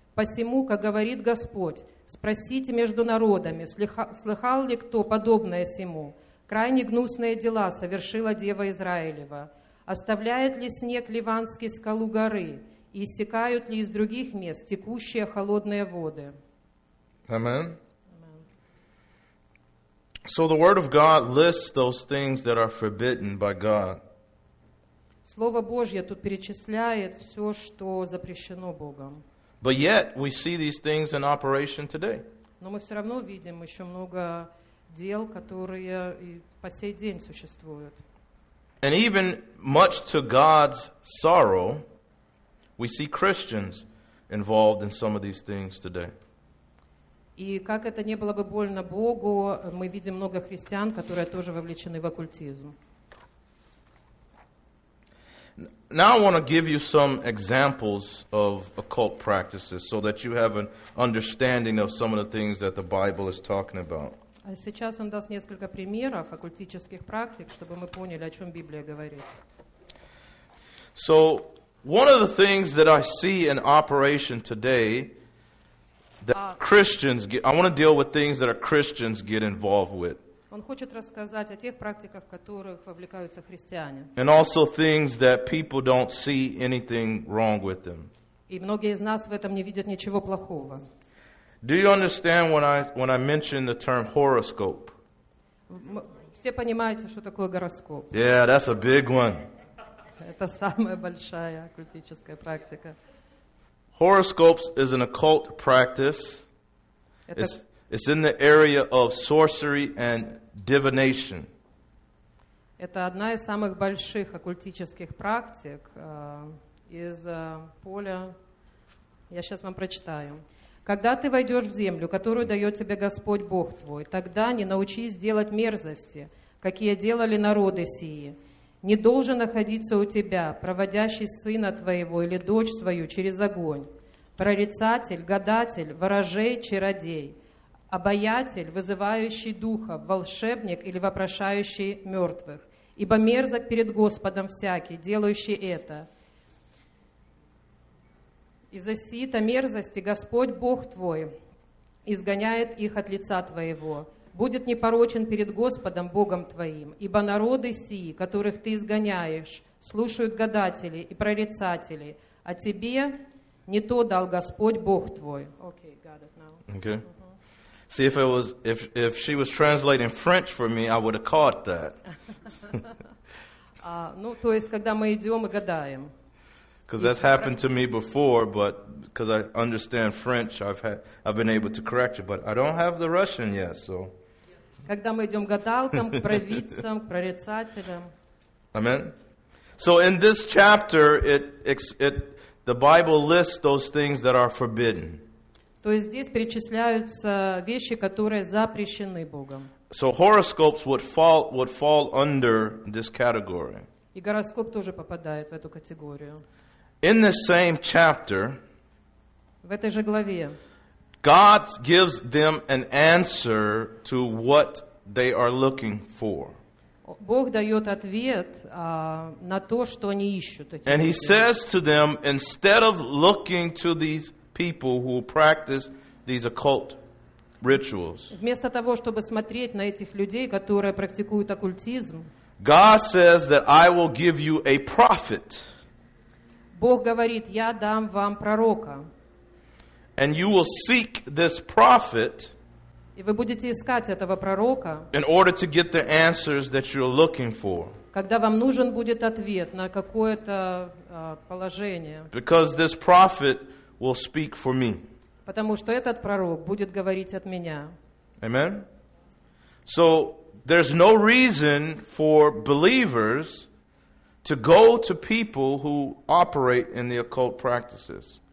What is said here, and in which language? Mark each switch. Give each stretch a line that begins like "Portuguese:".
Russian: Посему, как говорит Господь, спросите между народами, слыхал ли кто подобное сему? Крайне гнусные дела совершила Дева Израилева. Оставляет ли снег Ливанский скалу горы? И иссякают ли из других мест текущие холодные воды?
English: Amen. So the word of God lists those things that are forbidden by God.
Russian: Слово Божье тут перечисляет все, что запрещено Богом.
English: But yet we see these things in operation today.
Russian: Но мы все равно видим еще много дел, которые и по сей день существуют.
English: And even much to God's sorrow, we see Christians involved in some of these things today.
Russian: И как это не было бы больно Богу, мы видим много христиан, которые тоже вовлечены в оккультизм.
English: Now I want to give you some examples of occult practices so that you have an understanding of some of the things that the Bible is talking about.
Russian: А сейчас он даст несколько примеров оккультических практик, чтобы мы поняли, о чем Библия говорит.
English: So one of the things that I see in operation today that Christians get, I want to deal with things that are Christians get involved with.
Russian: Он хочет рассказать о тех практиках, в которых вовлекаются христиане.
English: And also things that people don't see anything wrong with them.
Russian: И многие из нас в этом не видят ничего плохого.
English: Do you understand when I mention the term horoscope?
Russian: Все понимаете, что такое гороскоп?
English: Yeah, that's a big one.
Russian: Это самая большая оккультическая практика.
English: Horoscopes is an occult practice. It's in the area of sorcery and divination.
Russian: Это одна из самых больших оккультических практик из поля. Я сейчас вам прочитаю. Когда ты войдешь в землю, которую дает тебе Господь Бог твой, тогда не научись делать мерзости, какие делали народы сии. Не должен находиться у тебя, проводящий сына твоего или дочь свою через огонь, прорицатель, гадатель, ворожей, чародей, обаятель, вызывающий духов, волшебник или вопрошающий мертвых, Ибо мерзок перед Господом всякий, делающий это. Из-за сита мерзости Господь Бог твой изгоняет их от лица твоего. Будет непорочен перед Господом Богом твоим, ибо народы сии, которых ты изгоняешь, слушают гадатели и прорицатели, а тебе не то дал Господь Бог твой.
English: Okay, got it now. Okay. See, if it was if she was translating French for me, I would have caught that.
Russian: Ну, то есть, когда мы идем и гадаем.
English: Because that's happened to me before, but because I understand French, I've been able to correct it. But I don't have the Russian yet, so.
Russian: Когда мы идем к гадалкам, к провидцам, к прорицателям.
English: Amen. So in this chapter, it the Bible lists those things that are forbidden.
Russian: То есть здесь перечисляются вещи, которые запрещены Богом.
English: So horoscopes would fall under this category.
Russian: И гороскоп тоже попадает в эту категорию.
English: In this same chapter,
Russian: в этой же главе,
English: God gives them an answer to what they are looking for.
Russian: Бог дает ответ на то, что они ищут.
English: And He says to them, instead of looking to these people who practice these occult rituals,
Russian: вместо того, чтобы смотреть на этих людей, которые практикуют оккультизм,
English: God says that I will give you a prophet.
Russian: Бог говорит, я дам вам пророка.
English: And you will seek this prophet.
Russian: И вы будете искать этого пророка.
English: In order to get the answers that you're looking for.
Russian: Когда вам нужен будет ответ на какое-то положение.
English: Because this prophet will speak for me.
Russian: Потому что этот пророк будет говорить от меня.
English: Amen. So there's no reason for believers to go to people who operate in the occult practices.